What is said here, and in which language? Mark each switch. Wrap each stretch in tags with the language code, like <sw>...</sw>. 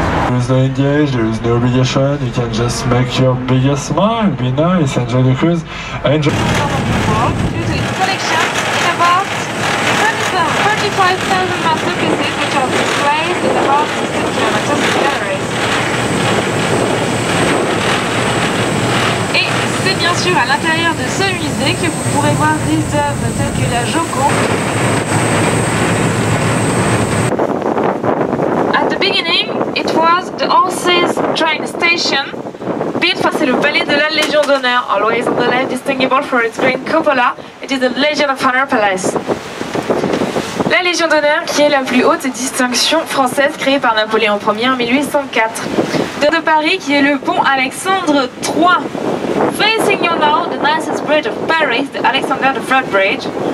<en>lose no engage, there is no obligation, you can just make your biggest smile, be nice, enjoy the cruise, enjoy.</en> <fr>Et c'est bien sûr à l'intérieur de ce musée que vous pourrez voir des œuvres telles que la Joconde.</fr> <en>At the beginning, it was the Orsay's train station, built for the Palais de la Légion d'honneur, always on the left, distinguishable for its green cupola. It is the Legion of Honor Palace.</en> <fr>La Légion d'honneur, qui est la plus haute distinction française créée par Napoléon Ier en 1804. De Paris, qui est le pont Alexandre III.</fr> <en>Facing you now, the nicest bridge of Paris, the Alexander the Third Bridge.</en>